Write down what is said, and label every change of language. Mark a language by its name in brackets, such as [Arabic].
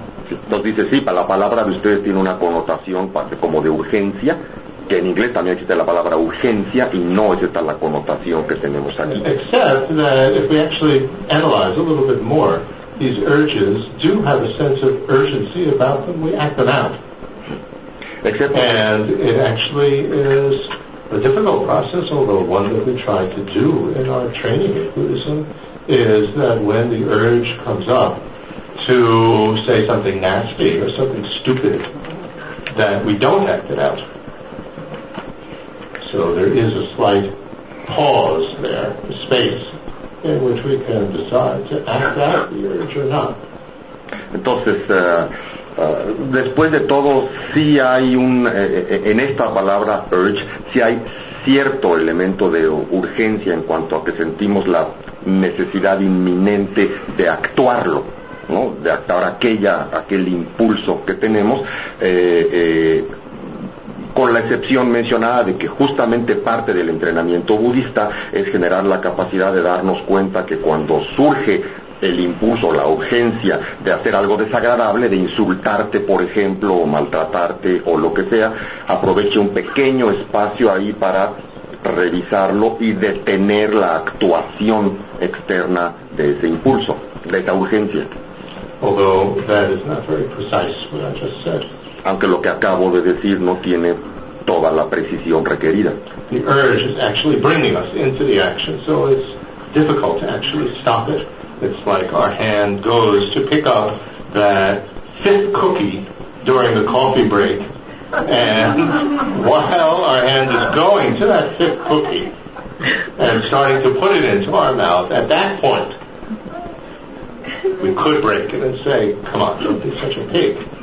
[Spanish] Entonces dice, sí, la palabra de ustedes tiene una connotación como de urgencia, que en inglés también existe la palabra urgencia, y no es esta la connotación que tenemos aquí. [English] Except that if we actually analyze a little bit more, these urges do have a sense of urgency about them. We act them out. Except and it actually is a difficult process, although one that we try to do in our training in Buddhism, is that when the urge comes up to say something nasty or something stupid, that we don't act it out. So there is a slight pause there, a space, in which we can decide to act out the urge or not. [Spanish] Entonces, después de todo, sí hay un, en esta palabra urge, sí hay cierto elemento de urgencia en cuanto a que sentimos la necesidad inminente de actuarlo, ¿no? De actuar aquel impulso que tenemos, con la excepción mencionada de que justamente parte del entrenamiento budista es generar la capacidad de darnos cuenta que cuando surge el impulso, la urgencia de hacer algo desagradable, de insultarte, por ejemplo, o maltratarte, o lo que sea, aproveche un pequeño espacio ahí para revisarlo y detener la actuación externa de ese impulso, de esa urgencia. [English] Although that is not very precise what I just said. [Spanish] Aunque lo que acabo de decir no tiene toda la precisión requerida. [English] The urge is actually bringing us into the action, so it's difficult to actually stop it. It's like our hand goes to pick up that fifth cookie during the coffee break, and while our hand is going to that fifth cookie and starting to put it into our mouth, at that point, we could break it and say, come on, don't be such a pig.